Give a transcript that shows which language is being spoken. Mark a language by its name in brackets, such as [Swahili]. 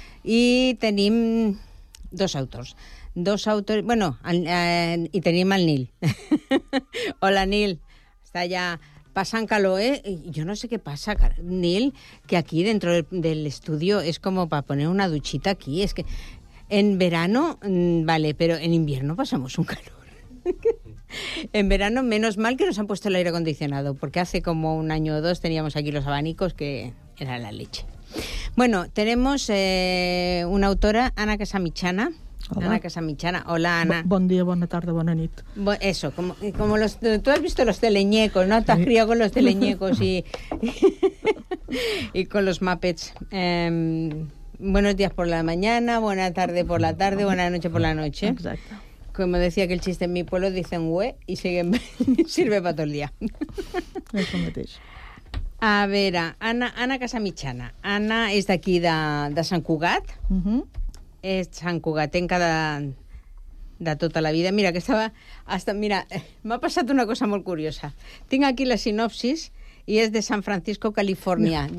[Catalan] I tenim dos autors, bueno, i tenim el Nil. Hola, Nil. Està allà passant calor, Jo no sé què passa, Nil, que aquí dentro de l'estudi és com per posar una dutxita aquí. [Spanish] És que en verano, vale, però en invierno passamos un calor. En verano, menos mal que nos han puesto el aire acondicionado, porque hace como un año o dos teníamos aquí los abanicos que era la leche. Bueno, tenemos una autora, Ana Casamitjana. Hola. Ana Casamitjana. Hola, Ana. [Catalan] Bon dia, bona tarda, bona nit. [Spanish] Eso, como los, tú has visto los teleñecos, ¿no? Sí. Te has criado con los teleñecos y... y con los Muppets. Buenos días por la mañana, buena tarde por la tarde, buena noche por la noche. Exacto. Como decía que el chiste en mi pueblo, dicen hue y siguen, sirve para todo el día. [Catalan] Eso mateix. [Spanish] A ver, Anna Casamitjana. [Catalan] Anna és d'aquí, de Sant Cugat. Uh-huh. És Sant Cugatenca de tota la vida. Mira, que estava... Mira, m'ha passat una cosa molt curiosa. Tinc aquí la sinopsis i és de San Francisco, Califòrnia. No.